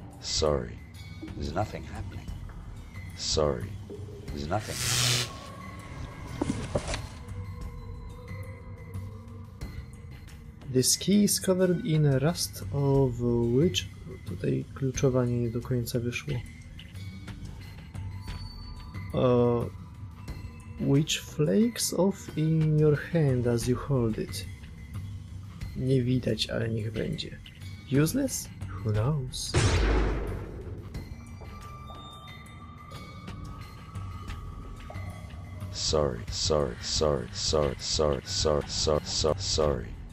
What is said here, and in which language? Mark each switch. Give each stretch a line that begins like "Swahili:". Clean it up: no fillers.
English: Sorry, there's nothing happening. Sorry, there's nothing. This key is covered in rust of which...
Polish: Tutaj kluczowanie nie do końca wyszło.
English: Which flakes off in your hand as you hold it.
Polish: Nie widać, ale niech będzie.
English: Useless? Who knows? Sorry.